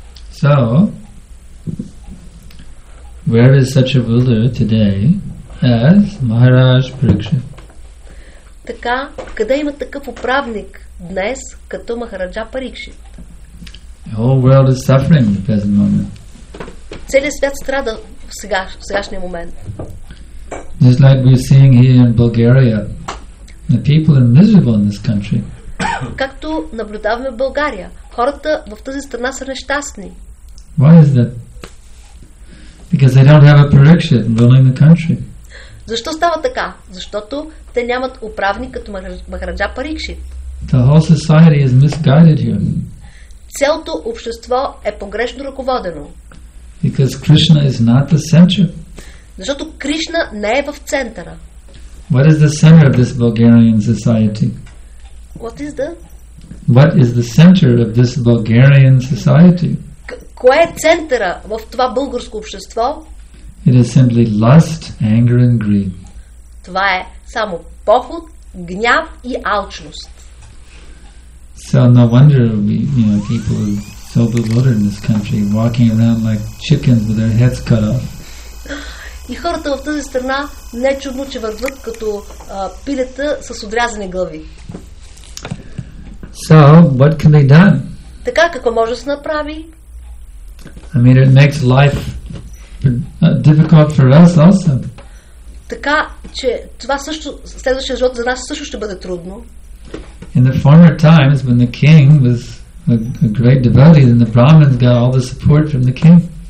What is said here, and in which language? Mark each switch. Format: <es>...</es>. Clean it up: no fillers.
<en>So, where is such a ruler today as Maharaj Parikshit?</en> <bg>Така, къде има такъв управник днес, като Махараджа Парикшит?</bg> <en>The whole world is suffering in the present moment.</en> <bg>Целият свят страда в сегашния момент.</bg> <en>Just like we're seeing here in Bulgaria, the people are miserable in this country.</en> <bg>Както наблюдаваме в България, хората в тази страна са нещастни.</bg> <en>Why is that? Because they don't have a Parikshit ruling the country.</en> <bg>Защо става така? Защото те нямат управник като Махараджа Парикшит.</bg> <en>The whole society is misguided here.</en> <bg>Цялото общество е погрешно ръководено.</bg> <en>Because Krishna is not the center.</en> <bg>Защото Кришна не е в центъра.</bg> <en>What is the center of this Bulgarian society? What is the? What is the center of this Bulgarian society?</en> <bg>Кое е центъра в това българско общество?</bg> <en>It is simply lust, anger and greed.</en> <bg>Това е само поход, гняв и алчност.</bg> <en>So no wonder people are so bewildered in this country, walking around like chickens with their heads cut off.</en> <bg>И хората в тази страна не чудно, че вървят като пилета с отрязани глави.</bg> <en>So what can they do?</en> <bg>Така какво може да се направи?</bg> <en>I mean, it makes life difficult for us also.</en> <bg>Така че това също следващия живот за нас също ще бъде трудно.</bg> <en>In the former times when the king was a great devotee, then the Brahmins got all the support from the king.</en>